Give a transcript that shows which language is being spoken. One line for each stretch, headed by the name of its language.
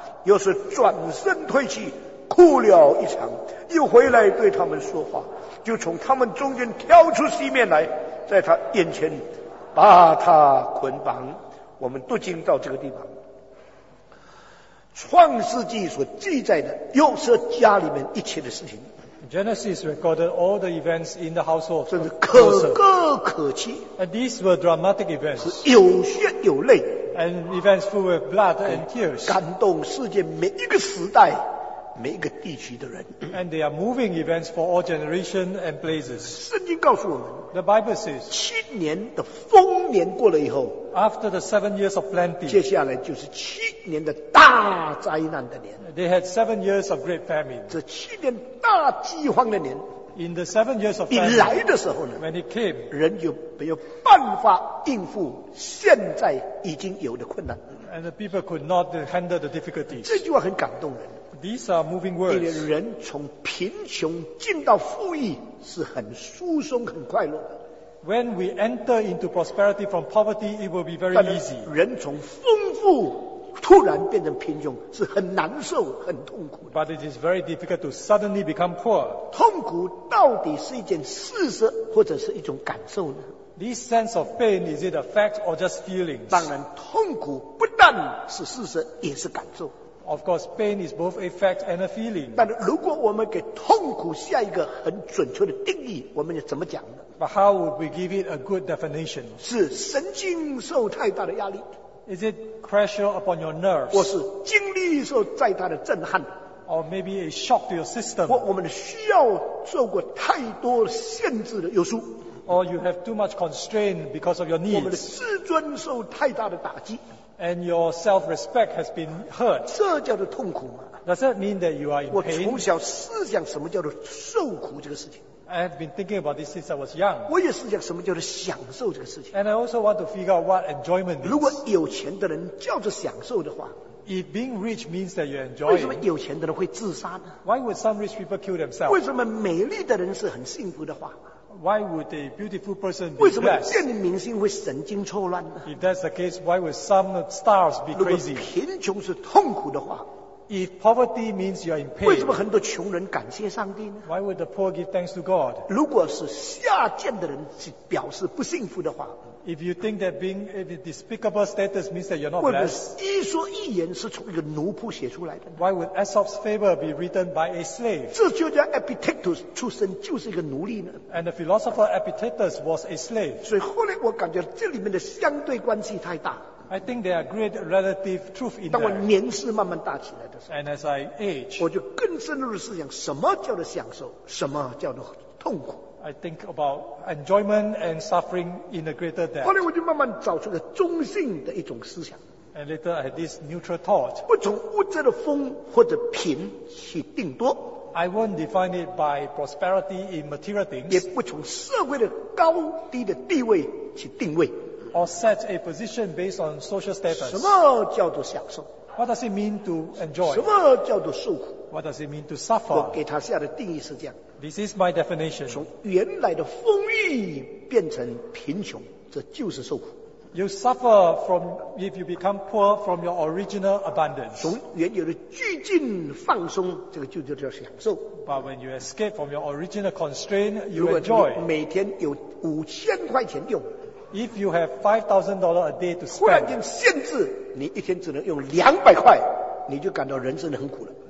Chinese: 又是转身退去，哭了一场，又回来对他们说话，就从他们中间挑出西面来，在他眼前把他捆绑。我们读经到这个地方，创世纪所记载的又是家里面一切的事情。
English: Genesis recorded all the events in the household，
Chinese: 真是可歌可泣。
English: And these were dramatic events，
Chinese: 是有血有泪。
English: And events full of blood and tears，
Chinese: 感动世界每一个时代每一个地区的人。
English: And they are moving events for all generations and places.
Chinese: 圣经告诉我们
English: ，The Bible says，
Chinese: 七年的丰年过了以后
English: ，After the 7 years of plenty，
Chinese: 接下来就是七年的大灾难的年。
English: They had 7 years of great famine。
Chinese: 这七年大饥荒的年。
English: In the 7 years of famine，
Chinese: 一来的时候呢
English: ，When it came，
Chinese: 人就没有办法应付现在已经有的困难。
English: And the people could not handle the difficulties。
Chinese: 这句话很感动人。
English: These are moving words.
Chinese: 人从贫穷进到富裕是很舒松很快乐的。
English: When we enter into prosperity from poverty, it will be very easy.
Chinese: 人从丰富突然变成贫穷是很难受很痛苦的。
English: But it is very difficult to suddenly become poor.
Chinese: 痛苦到底是一件事实或者是一种感受呢？
English: This sense of pain, is it a fact or just feelings?
Chinese: 当然痛苦不但是事实也是感受。
English: Of course, pain is both a fact and a feeling.
Chinese: 但如果我们给痛苦下一个很准确的定义，我们要怎么讲呢？
English: But how would we give it a good definition?
Chinese: 是神经受太大的压力。
English: Is it pressure upon your nerves?
Chinese: 或是精力受再大的震撼。
English: Or maybe a shock to your system.
Chinese: 或我们需要受过太多限制的约束。
English: Or you have too much constraint because of your needs.
Chinese: 我们的自尊受太大的打击。
English: And your self-respect has been hurt.
Chinese: 这叫做痛苦吗？
English: Does that mean that you are in pain?
Chinese: 我从小思想什么叫做受苦这个事情。
English: I have been thinking about this since I was young.
Chinese: 我也思想什么叫做享受这个事情。
English: And I also want to figure out what enjoyment is.
Chinese: 如果有钱的人叫做享受的话，
English: If being rich means that you enjoy,
Chinese: 为什么有钱的人会自杀呢？
English: Why would some rich people kill themselves?
Chinese: 为什么美丽的人是很幸福的话？
English: Why would a beautiful person be blessed?
Chinese: 为什么电影明星会神经错乱呢？
English: If that's the case, why would some stars be crazy?
Chinese: 如果贫穷是痛苦的话，
English: If poverty means you are in pain,
Chinese: 为什么很多穷人感谢上帝呢？
English: Why would the poor give thanks to God?
Chinese: 如果是下贱的人表示不幸福的话，
English: If you think that being a despicable status means that you're not blessed,
Chinese: 为什么伊索寓言是从一个奴仆写出来的呢？
English: Why would Aesop's fable be written by a slave?
Chinese: 这就叫 Epictetus 出生就是一个奴隶呢？
English: And the philosopher Epictetus was a slave.
Chinese: 所以后来我感觉这里面的相对关系太大。
English: I think there are great relative truth in that.
Chinese: 当我年事慢慢大起来的时候，
English: And as I age,
Chinese: 我就更深入的思想什么叫做享受，什么叫做痛苦。
English: I think about enjoyment and suffering in a greater depth.
Chinese: 后来我就慢慢找出了中性的一种思想。
English: And later I had this neutral thought.
Chinese: 不从物质的丰或者贫去定夺。
English: I won't define it by prosperity in material things.
Chinese: 也不从社会的高低的地位去定位。
English: Or set a position based on social status.
Chinese: 什么叫做享受？
English: What does it mean to enjoy?
Chinese: 什么叫做受苦？
English: What does it mean to suffer?
Chinese: 我给他下的定义是这样。
English: This is my definition.
Chinese: 从原来的丰裕变成贫穷，这就是受苦。
English: You suffer from if you become poor from your original abundance.
Chinese: 从原有的拘禁放松，这个就叫享受。
English: But when you escape from your original constraint, you enjoy.
Chinese: 如果你每天有5000块钱用
English: ，If you have $5,000 a day to spend,
Chinese: 忽然间限制你一天只能用200块，你就感到人生很苦了。